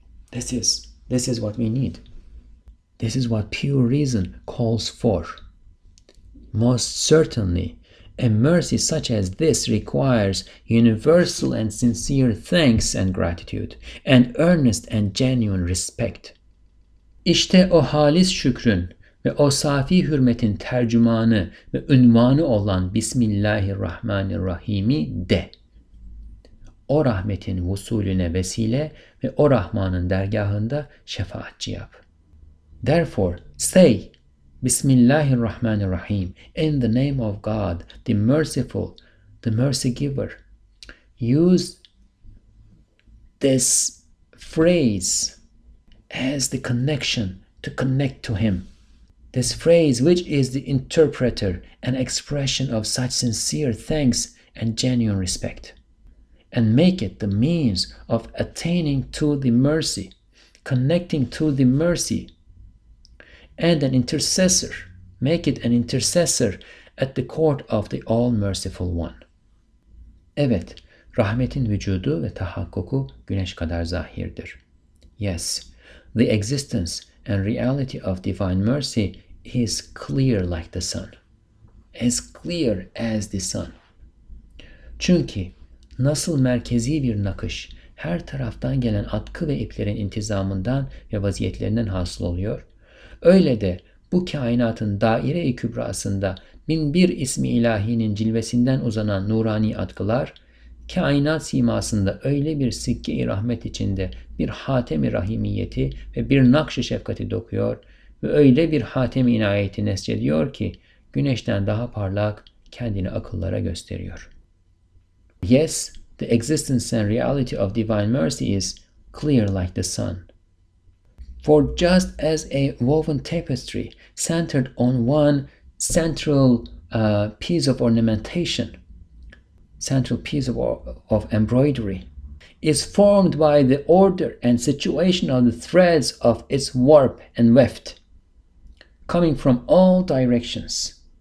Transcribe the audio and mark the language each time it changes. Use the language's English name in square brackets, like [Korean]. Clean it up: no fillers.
[English] This is what we need. This is what pure reason calls for. Most certainly, a mercy such as this requires universal and sincere thanks and gratitude, and earnest and genuine respect. [Turkish] İşte o halis şükrün ve o safi hürmetin tercümanı ve ünvanı olan Bismillahirrahmanirrahim'i de. O rahmetin vusulüne vesile ve o Rahman'ın dergahında şefaatçi yap. [English] Therefore, say, Bismillahirrahmanirrahim, in the name of God, the merciful, the mercy giver. Use this phrase as the connection to connect to him. This phrase, which is the interpreter and expression of such sincere thanks and genuine respect, and make it the means of attaining to the mercy, connecting to the mercy, and an intercessor. Make it an intercessor at the court of the All-Merciful One. [Turkish] Evet, rahmetin vücudu ve tahakkuku güneş kadar zahirdir. [English] Yes, the existence and reality of divine mercy is clear like the sun. As clear as the sun. [Turkish] Çünkü nasıl merkezi bir nakış her taraftan gelen atkı ve iplerin intizamından ve vaziyetlerinden hasıl oluyor, öyle de bu kainatın daire-i kübrasında bin bir ismi ilahinin cilvesinden uzanan nurani atkılar, kainat simasında öyle bir sikke-i rahmet içinde bir hatem-i rahimiyeti ve bir nakş-ı şefkati dokuyor ve öyle bir hatem-i inayeti nesçediyor ki, güneşten daha parlak kendini akıllara gösteriyor. [English] Yes, the existence and reality of divine mercy is clear like the sun. For just as a woven tapestry centered on one central piece of embroidery, is formed by the order and situation of the threads of its warp and weft, coming from all directions.